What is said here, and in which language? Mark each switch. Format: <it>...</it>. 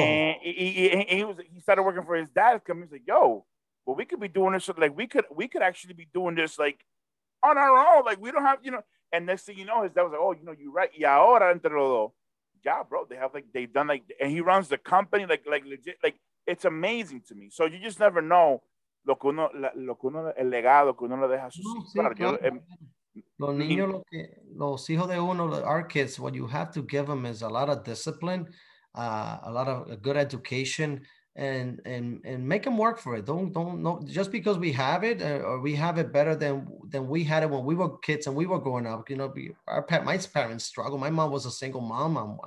<en>He started working for his dad's company. He's like, yo, well, we could be doing this. Like, we could actually be doing this, like, on our own. Like, we don't have, you know. And next thing you know, his dad was like, oh, you know, you're right. Yeah,</en> <es>ahora entrelo.</es> <en>Yeah, bro, they have, like, they've done, like, and he runs the company, like legit. Like, it's amazing to me. So you just never know.</en> <es>Lo que uno, el legado, que uno le deja sus hijos. Los hijos de uno,</es> <en>our kids, what you have to give them is a lot of discipline, a lot of a good education, and make them work for it. Don't know, just because we have it or we have it better than we had it when we were kids and we were growing up. You know, my parents struggled. My mom was a single mom.</en>